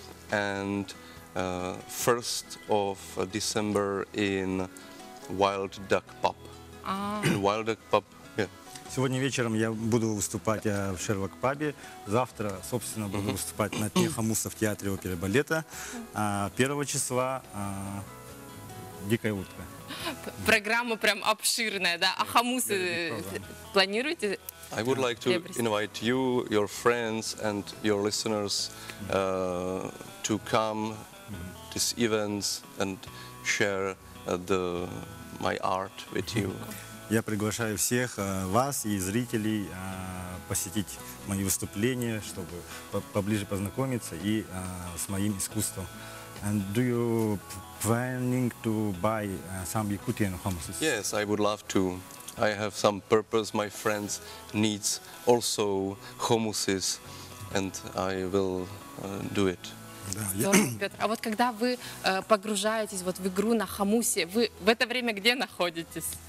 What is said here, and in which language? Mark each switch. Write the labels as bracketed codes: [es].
[en] And 1st of December in Wild Duck Pub. Wild Duck Pub. [ru] Сегодня вечером я буду выступать в Шерлок Пабе. Завтра, собственно, буду выступать на Пне Хамуса в театре оперы и балета. А 1 числа Дикая утка. Программа прям обширная, да? А хамусы планируете? [en] I would like to invite you, your friends and your listeners to come to this event and share the my art with you. [ru] Я приглашаю всех вас и зрителей посетить мои выступления, чтобы поближе познакомиться и с моим искусством. [en] And do you planning to buy some Yakutian hummus? Yes, I would love to. I have some purpose. My friends needs also hummuses, and I will do it. [ru] Петр, а вот когда вы погружаетесь вот в игру на хамусе, вы в это время где находитесь?